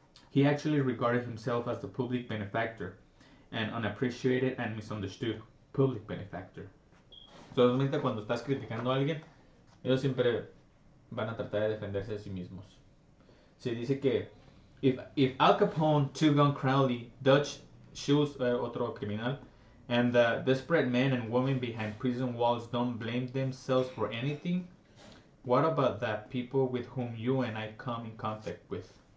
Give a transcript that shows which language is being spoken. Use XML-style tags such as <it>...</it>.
<en>He actually regarded himself as the public benefactor, an unappreciated and misunderstood public benefactor.</en> <es>Solamente cuando estás criticando a alguien, ellos siempre van a tratar de defenderse a sí mismos. Se dice que</es> <en>if Al Capone, Two Gun Crowley, Dutch Schultz,</en> <es>otro criminal,</es> <en>and the desperate men and women behind prison walls don't blame themselves for anything, what about the people with whom you and I come in contact with?</en>